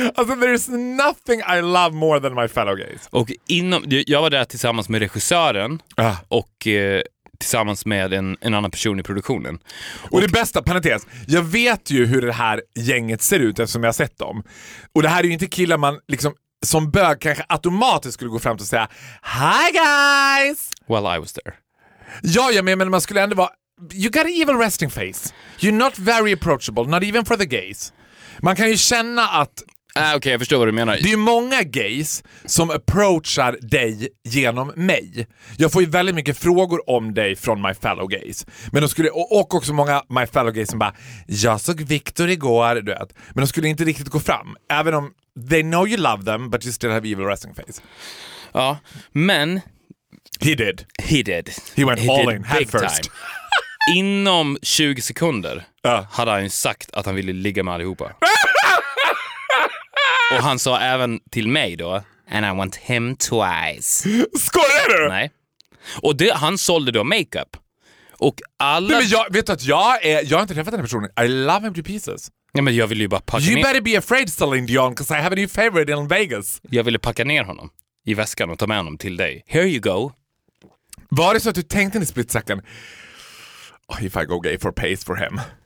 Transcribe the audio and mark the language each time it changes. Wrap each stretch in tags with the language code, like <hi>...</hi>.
<en>Alltså, there is nothing I love more than my fellow gays.</en> <sv>Och inom... Jag var där tillsammans med regissören. Och... tillsammans med en annan person i produktionen. Och det bästa, parentes, jag vet ju hur det här gänget ser ut eftersom jag har sett dem. Och det här är ju inte killar man liksom som bög kanske automatiskt skulle gå fram och säga</sv> <en>hi guys! Well, I was there.</en> <sv>Ja, men man skulle ändå vara</sv> <en>you got an evil resting face. You're not very approachable, not even for the gays.</en> <sv>Man kan ju känna att Okej, jag förstår vad du menar. Det är många gays som approachar dig genom mig. Jag får ju väldigt mycket frågor om dig från</sv> <en>my fellow gays.</en> <sv>Men de skulle, och också många my fellow gays som bara, jag såg Victor igår, du vet. Men de skulle inte riktigt gå fram. Även om</sv> <en>they know you love them, but you still have evil resting face.</en> <sv>Ja, men...</sv> <en>He did. He went he all in, head first.</en> <sv>Inom 20 sekunder hade han sagt att han ville ligga med allihopa. Och han sa även till mig då,</sv> <en>and I want him twice.</en> <sv>Skojar du? Nej. Och det, han sålde då makeup. Och alla... Nej, men jag vet att jag har inte träffat den här personen.</sv> <en>I love him to pieces.</en> <sv>Nej, men jag ville ju bara packa</sv> <en>you</en> <sv>ner.</sv> <en>You better be afraid, Celine Dion, because I have a new favorite in Vegas.</en> <sv>Jag ville packa ner honom i väskan och ta med honom till dig.</sv> <en>Here you go.</en> <sv>Var det så att du tänkte en</sv> <en>split second? Oh, if I go gay for pace for him.</en>